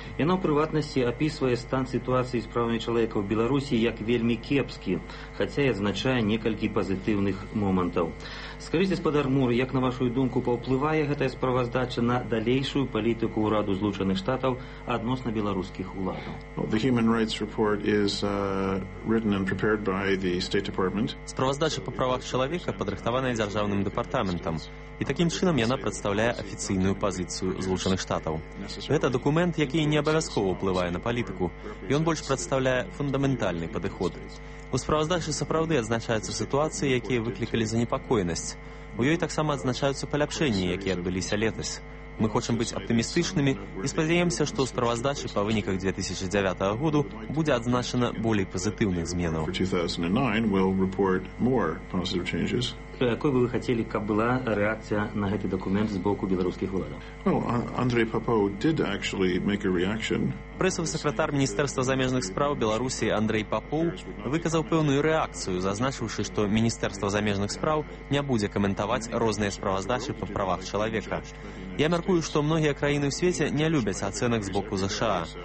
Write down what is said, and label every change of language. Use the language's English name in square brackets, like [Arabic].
[Belarusian] Яна ў прыватнасці апісвае стан сітуацыі з правамі чалавека ў Беларусі як вельмі кепскі, хаця і адзначае некалькі пазітыўных момантаў. Скажыце, спадар Мур, як на вашу думку паўплывае гэтая справаздача на далейшую палітыку ўраду Злучаных Штатаў адносна беларускіх уладаў? [English] The Human Rights Report is written and prepared by the State Department. [Belarusian] Справаздача па правах чалавека падрыхтаваная Дзяржаўным дэпартаментам. І такім чынам яна прадстаўляе афіцыйную пазіцыю Злучаных Штатаў. Гэта дакумент, які не абавязкова ўплывае на палітыку, ён больш прадстаўляе фундаментальны падыход. У справаздачы сапраўды адзначаюцца сітуацыі, якія выклікалі занепакоенасць. У ёй таксама адзначаюцца паляпшэнні, якія адбыліся летась. Мы хочам быць аптымістычнымі і спадзяемся, што ў справаздачы па выніках 2009 году будзе адзначана болей пазітыўных зменаў. Якой бы вы хацелі, каб была рэакцыя на гэты дакумент з боку беларускіх уладаў? [English] Андрэй Папоў did actually make a reaction. [Belarusian] Прэсавы сакратар Міністэрства замежных справ Беларусі Андрэй Папоў выказаў пэўную рэакцыю, зазначыўшы, што Міністэрства замежных справ не будзе каментаваць розныя справаздачы па правах чалавека. Я мяркую, што многія краіны ў свеце не любяць ацэнак з боку ЗША.